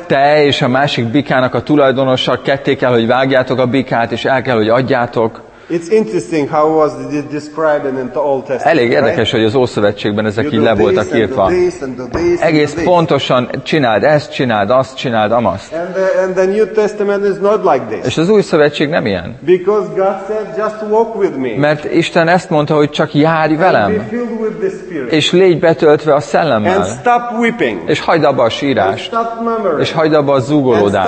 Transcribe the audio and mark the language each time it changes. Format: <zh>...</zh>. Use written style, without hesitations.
<hu>Te és a másik bikának a tulajdonosa ketté kell, hogy vágjátok a bikát, és el kell, hogy adjátok.</hu> <en>It's interesting how was it described in the Old Testament.</en> <hu>Elég érdekes,</hu> <en>right?</en> <hu>Hogy az Ószövetségben ezek így le voltak írva. Egész pontosan csináld ezt, csináld azt, csináld amazt.</hu> <en>And the New Testament is not like this.</en> <hu>És az Új Szövetség nem ilyen.</hu> <en>Because God said, just walk with me.</en> <hu>Mert Isten ezt mondta, hogy csak járj velem.</hu> <en>And be filled with the Spirit.</en> <hu>És légy betöltve a Szellemmel.</hu> <en>And stop weeping.</en> <hu>És hagyd abba a sírást.</hu> <en>And stop murmuring.</en> <hu>És hagyd abba a zúgolódást.</hu>